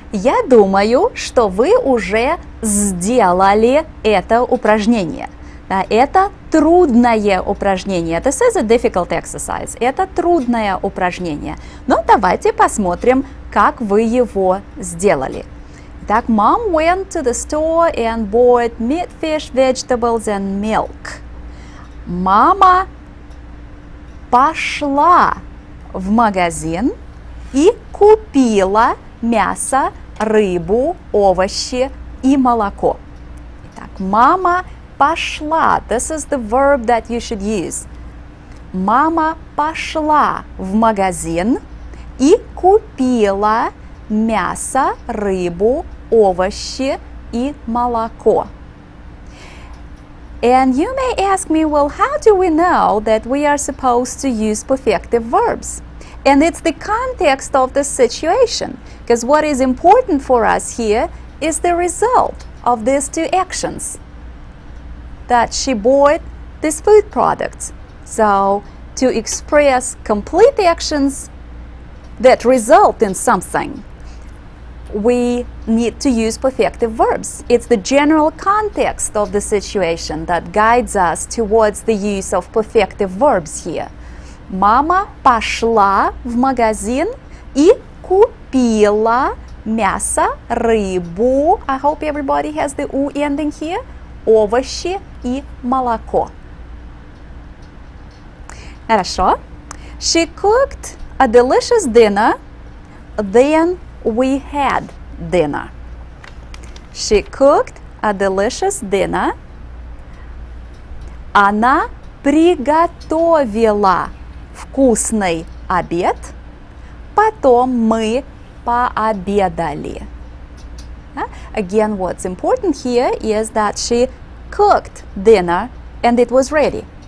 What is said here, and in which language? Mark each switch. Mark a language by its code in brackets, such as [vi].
[ru] Я думаю, что вы уже сделали это упражнение. Это трудное упражнение. [en] This is a difficult exercise. [ru] Это трудное упражнение. Но давайте посмотрим, как вы его сделали. [en] Итак, mom went to the store and bought meat, fish, vegetables and milk. [ru] Мама пошла в магазин и купила мясо, рыбу, овощи и молоко. Итак, мама пошла. [en] This is the verb that you should use. [ru] Мама пошла в магазин и купила мясо, рыбу, овощи и молоко. [en] And you may ask me, well, how do we know that we are supposed to use perfective verbs? And it's the context of the situation, because what is important for us here is the result of these two actions, that she bought these food products. So, to express complete actions that result in something, we need to use perfective verbs. It's the general context of the situation that guides us towards the use of perfective verbs here. [ru] Мама пошла в магазин и купила мясо, рыбу. [en] I hope everybody has the U ending here. [ru] Овощи и молоко. Хорошо. [en] She cooked a delicious dinner, then we had dinner. She cooked a delicious dinner. [ru] Она приготовила вкусный обед. Потом мы пообедали. [en] Again, what's important here is that she cooked dinner and it was ready.